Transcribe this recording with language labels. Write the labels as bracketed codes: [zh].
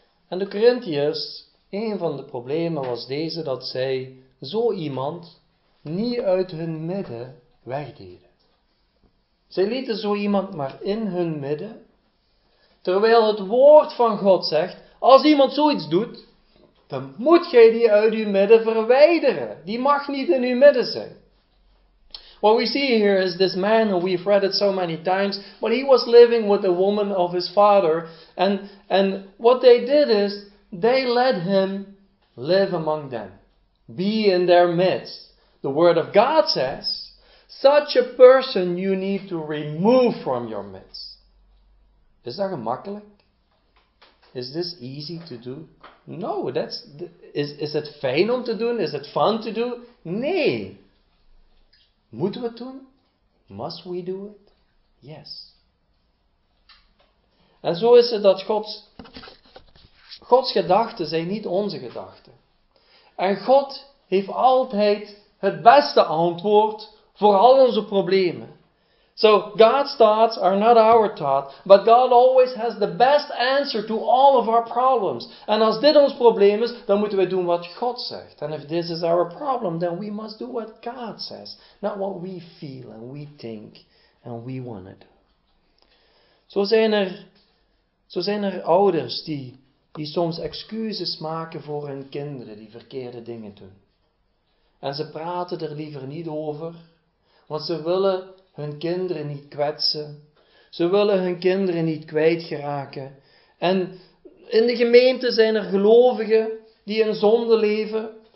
[nl] En de Corinthiërs, een van de problemen was deze, dat zij zo iemand niet uit hun midden wegdeden. Zij lieten zo iemand maar in hun midden, terwijl het woord van God zegt, als iemand zoiets doet, dan moet jij die uit uw midden verwijderen. Die mag niet in uw midden zijn. [en] What we see here is this man, and we've read it so many times, but he was living with a woman of his father, and what they did is, they let him live among them, be in their midst. The word of God says, such a person you need to remove from your midst. Is that [nl] gemakkelijk? [en] Is this easy to do? No, is it [nl] fijn om te doen? [en] Is it fun to do? [nl] Nee. Moeten we het doen? [en] Must we do it? Yes. [nl] En zo is het dat Gods gedachten zijn niet onze gedachten. En God heeft altijd het beste antwoord voor al onze problemen. [en] So, God's thoughts are not our thought, but God always has the best answer to all of our problems. [nl] En als dit ons probleem is, dan moeten we doen wat God zegt. [en] And if this is our problem, then we must do what God says. Not what we feel and we think and we want to do. [nl] Zo zijn er ouders die soms excuses maken voor hun kinderen die verkeerde dingen doen. En ze praten er liever niet over, want ze willen hun kinderen niet kwetsen. Ze willen hun kinderen niet kwijtgeraken. En in de gemeente zijn er gelovigen die in zonde leven.